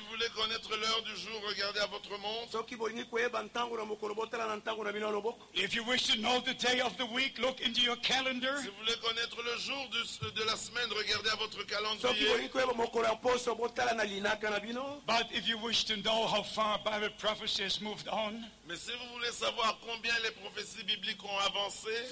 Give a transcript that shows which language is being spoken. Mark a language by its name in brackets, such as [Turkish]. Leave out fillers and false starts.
[French] Si vous voulez connaître l'heure du jour, regardez à votre montre. [English] If you wish to know the day of the week, look into your calendar. [French] Si vous voulez connaître le jour de la semaine, regardez à votre calendrier. [English] But if you wish to know how far Bible prophecy has moved on, [French] mais si vous voulez savoir combien les prophéties bibliques ont avancé,